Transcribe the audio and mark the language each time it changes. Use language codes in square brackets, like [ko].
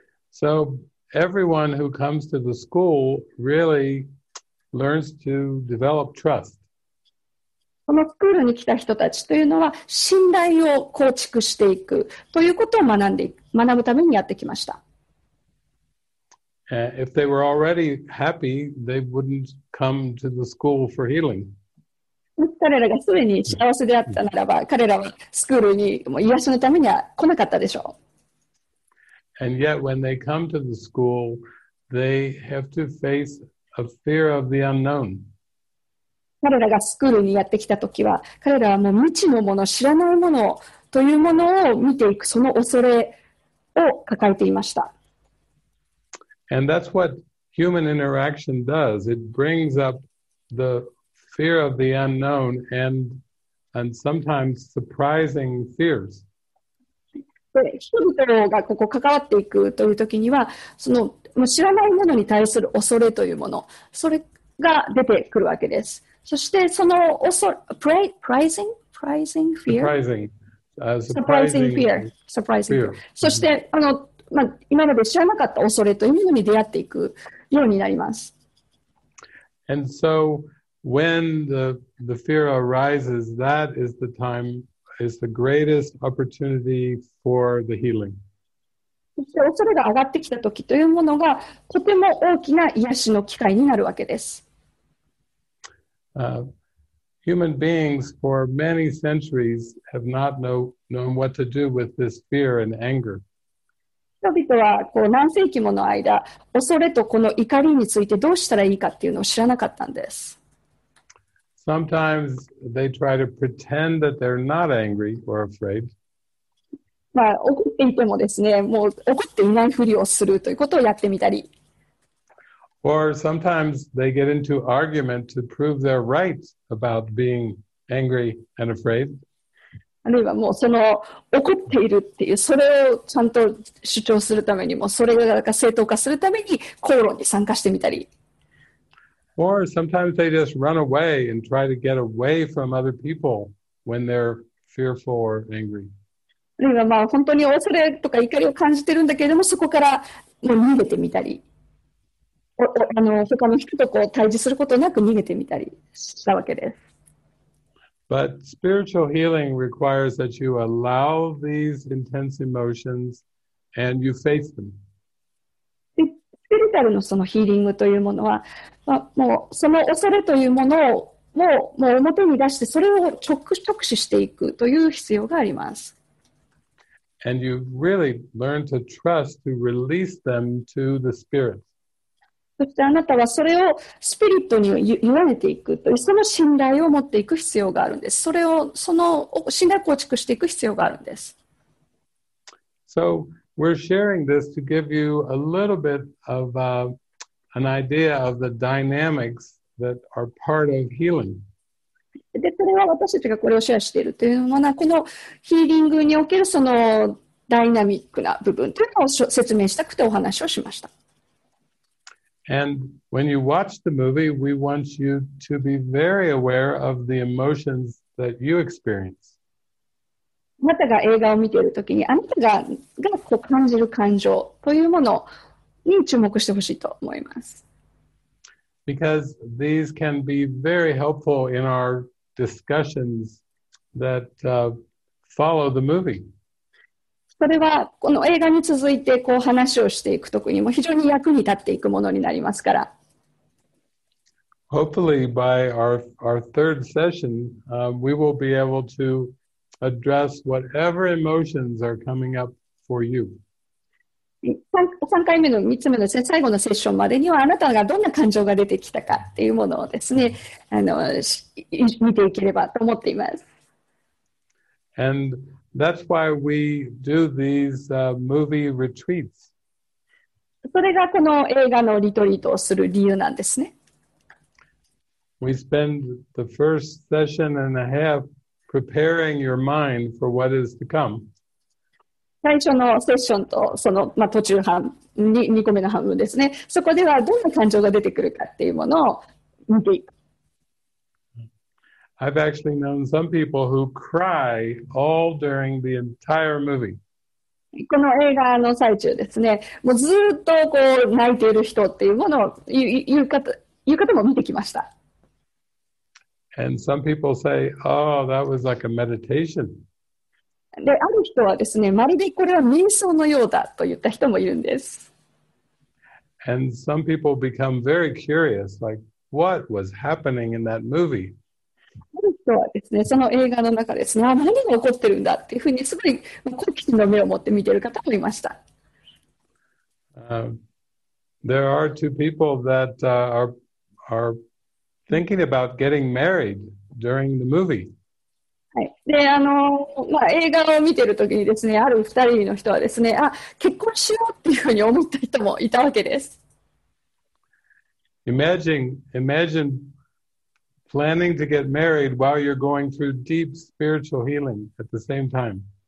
[en] So everyone who comes to the school really learns to develop trust. [ja] このスクールに来た人たちというのは信頼を構築していくということを学ぶためにやってきました。 [en] If they were already happy, they wouldn't come to the school for healing. [ja] 彼らがすでに幸せであったならば、彼らはスクールに癒しのためには来なかったでしょう。 [en] And yet, when they come to the school, they have to face a fear of the unknown. [ja] 彼らがスクールにやってきたときは、彼らはもう未知のもの、知らないものというものを見ていく、その恐れを抱えていました。 [en] And that's what human interaction does. It brings up the fear of the unknown and sometimes surprising fears. [ja] 人々がここ関わっていくというときには、その知らないものに対する恐れというもの、それが出てくるわけです。そしてその恐れ、 [en] surprising fear. [ja] そして、mm-hmm. まあ、今まで知らなかった恐れというのに出会っていくようになります。 [en] And so when the fear arises, that is the time, is the greatest opportunity for the healing. [ja] そして恐れが上がってきた時というものがとても大きな癒しの機会になるわけです。 [en] Human beings for many centuries have not known what to do with this fear and anger. [ja] 人々はこう何世紀もの間、恐れとこの怒りについてどうしたらいいかっていうのを知らなかったんです。 [en] Sometimes they try to pretend that they're not angry or afraid. [ja] まあ、怒っていてもですね、もう怒っていないふりをするということをやってみたり。 [en] Or sometimes they get into argument to prove their right about being angry and afraid. [ja] あるいはもうその怒っているっていう、それをちゃんと主張するためにも、それが正当化するために口論に参加してみたり。 [en] Or sometimes they just run away and try to get away from other people when they're fearful or angry. [ja] あるいはまあ本当に恐れとか怒りを感じてるんだけれども、そこからもう逃げてみたり。他の人とこう対峙することなく逃げてみたりしたわけです。 [en] But spiritual healing requires that you allow these intense emotions and you face them. [ja] スピリチュアルのそのヒーリングというものは、まあ、もうその恐れというものをもう表に出して、それを直視していくという必要があります。 [en] And you really learn to trust to release them to the spirit. [ja] そしてあなたはそれをスピリットに言われていくという、その信頼を持っていく必要があるんです。それを、その信頼構築していく必要があるんです。 [en] So, we're sharing this to give you a little bit of an idea of the dynamics that are part of healing. [ja] で、それは私たちがこれをシェアしているというのは、このヒーリングにおけるそのダイナミックな部分というのを説明したくてお話をしました。 [en] And when you watch the movie, we want you to be very aware of the emotions that you experience. [ja] あなたが映画を見ているときに、あなたが感じる感情というものに注目してほしいと思います。 [en] Because these can be very helpful in our discussions that follow the movie. [ja] それはこの映画に続いてこう話をしていくときにも非常に役に立っていくものになりますから。 [en] Hopefully by our third session, we will be able to address whatever emotions are coming up for you. [ja] 3回目の3つ目の最後のセッションまでにはあなたがどんな感情が出てきたかっていうものをですね、見ていければと思っています。 [en] And... That's why we do these movie retreats. [ja] それがこの映画のリトリートをする理由なんですね。 [en] We spend the first session and a half preparing your mind for what is to come. [ja] 最初のセッションとその、まあ、途中半、2個目の半分ですね。そこではどんな感情が出てくるかっていうものを見ていく。 [en] I've actually known some people who cry all during the entire movie. [ja] この映画の最中ですね、もうずっとこう泣いている人っていうものを言う方、という方も見てきました。 [en] And some people say, oh, that was like a meditation. [ja] で、ある人はですね、まるでこれは瞑想のようだと言った人もいるんです。 [en] And some people become very curious, like, what was happening in that movie? [ja] ある人はですね、その映画の中ですね、何が起こってるんだっていうふうに、すごい好奇心の目を持って見ている方もいました。 [en] There are two people that are thinking about getting married during the movie. [ja] はい。で、映画を見てるときにですね、ある二人の人はですね、あ、結婚しようっていうふうに思った人もいたわけです。 [en] Imagine planning to get married while you're going through deep spiritual healing at the same time.